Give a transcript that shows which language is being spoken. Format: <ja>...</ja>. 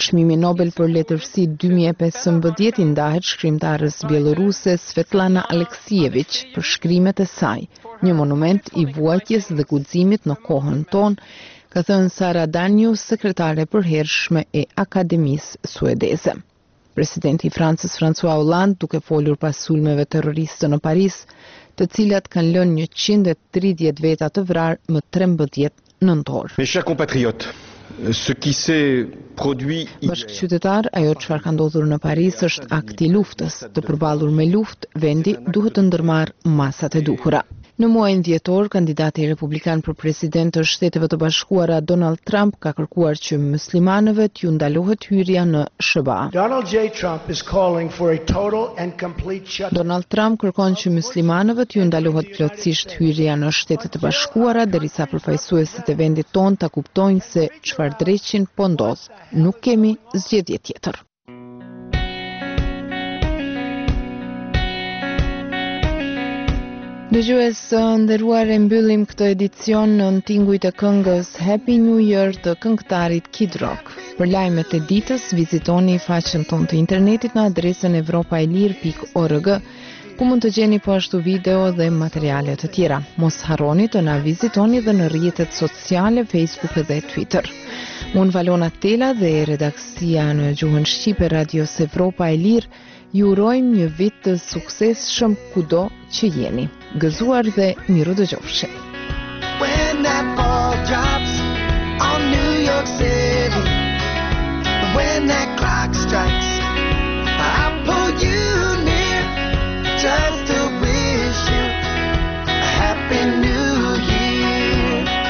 <sq>Çmimi Nobel për letërsi 2015 i ndahet shkrimtarës bieloruse Svetlana Aleksijevich për shkrimet e saj, një monument i vuajtjes dhe guximit në kohën tonë, ka thënë Sara Danius, sekretare përhershme e Akademisë Suedeze. Presidenti i Francës François Hollande, duke folur pas sulmeve terroriste në Paris, të cilat kanë lënë 130 veta të vrarë më 13 nëntor.</sq> <fr>Mes chers compatriotes, ce qui s'est produit hier.</fr> <sq>Bashkëqytetar, ajo çfarë ka ndodhur në Paris është akt i luftës. Të përballur me luftë, vendi duhet të ndërmarrë masat e duhura. Në muajin dhjetor, kandidati republikan për president të Shteteve të Bashkuara Donald Trump ka kërkuar që muslimanëve t'ju ndalohet hyrja në SBA.</sq> <en>Donald J. Trump is calling for a total and complete shutdown.</en> <sq>Donald Trump kërkon që muslimanëve t'ju ndalohet plotësisht hyrja në Shtetet të Bashkuara derisa përfaqësuesit e vendit ton ta kuptojnë se çfarë dreqin po ndodh. Nuk kemi zgjedhje tjetër. Dëgjues së nderuar, e mbyllim këtë edicion në tingujt e këngës Happy New Year të këngëtarit Kid Rock. Për lajmet e ditës, vizitoni faqen tonë të internetit në adresën evropaelir.org, ku mund të gjeni po ashtu video dhe materiale të tjera. Mos harroni të na vizitoni dhe në rrjetet sociale Facebook dhe Twitter. Unë Valona Tela dhe redaksia në gjuhën shqipe Radios Evropa e Lirë ju urojmë një vit të suksesshëm kudo që jeni. Gëzuar dhe miru dëgjofshe.</sq> <en>When that ball drops on New York City, when that clock strikes, I'll pull you near just to wish you a happy new year.</en>